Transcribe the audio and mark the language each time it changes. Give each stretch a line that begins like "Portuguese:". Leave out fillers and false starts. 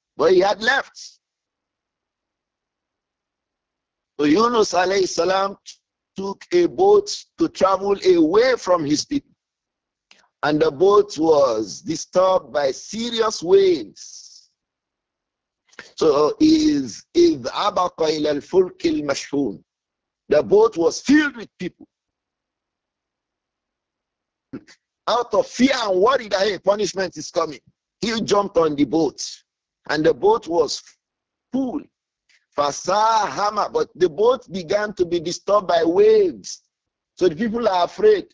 English: But he had left. So Yunus alayhi salam took a boat to travel away from his people. And the boat was disturbed by serious waves. So is
Arabic: إِذْ عَبَقَ إِلَى الْفُلْكِ الْمَشْحُونِ.
English: The boat was filled with people. Out of fear and worry that hey, punishment is coming, he jumped on the boat. And the boat was full.
Arabic: فَسَاهَمَ.
English: But the boat began to be disturbed by waves. So the people are afraid.